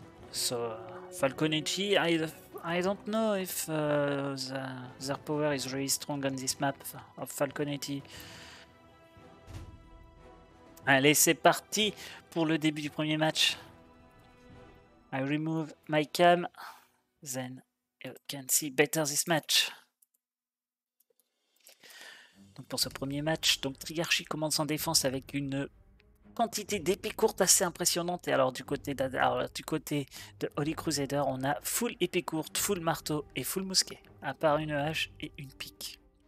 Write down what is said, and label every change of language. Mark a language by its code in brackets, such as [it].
[en] So, Falconucci, I don't know if their power is really strong on this map of Falconetti. [fr] Allez, c'est parti pour le début du premier match. [en] I remove my cam, then you can see better this match. [fr] Donc pour ce premier match, donc Triarchy commence en défense avec une quantité d'épées courtes assez impressionnante. Et alors du côté de Holy Crusader, on a full épée courte, full marteau et full mousquet, à part une hache et une pique.